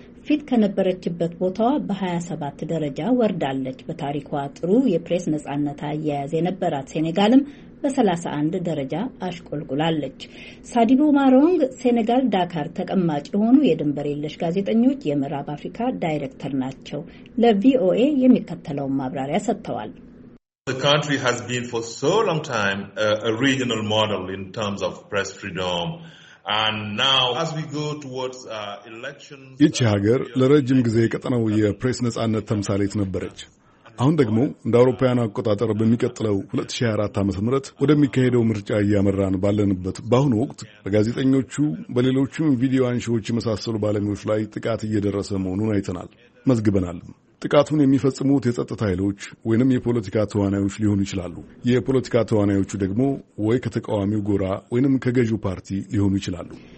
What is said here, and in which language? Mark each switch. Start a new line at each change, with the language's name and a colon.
Amharic: ፊት ከነበረችበት ቦታዋ በ27 ደረጃ ወርዳለች። በታሪኳ ጥሩ የፕሬስ ነጻነት አያያዝ የነበራት ሴኔጋልም በ31 ደረጃ አሽቆልቁላለች። ሳዲቡ ማሮንግ ሴኔጋል ዳካር ተቀማጭ የሆኑ የድንበር የለሽ ጋዜጠኞች የምዕራብ አፍሪካ ዳይሬክተር ናቸው። ለቪኦኤ የሚከተለውን ማብራሪያ ሰጥተዋል።
English: The country has been for so long time a regional model in terms of press freedom. And now, as we go towards elections...
Amharic: ይቺ ሀገር ለረጅም ጊዜ የቀጠነው የፕሬስ ነጻነት ተምሳሌት ነበረች። አሁን ደግሞ እንደ አውሮፓውያን አቆጣጠር በሚቀጥለው 2024 ዓ.ም ወደሚካሄደው ምርጫ እያመራን ባለንበት በአሁኑ ወቅት በጋዜጠኞቹ፣ በሌሎችም ቪዲዮ አንሺዎች የመሳሰሉ ባለሙያዎች ላይ ጥቃት እየደረሰ መሆኑን አይተናል፣ መዝግበናልም። ጥቃቱን የሚፈጽሙት የጸጥታ ኃይሎች ወይንም የፖለቲካ ተዋናዮች ሊሆኑ ይችላሉ። የፖለቲካ ተዋናዮቹ ደግሞ ወይ ከተቃዋሚው ጎራ ወይንም ከገዢው ፓርቲ ሊሆኑ ይችላሉ።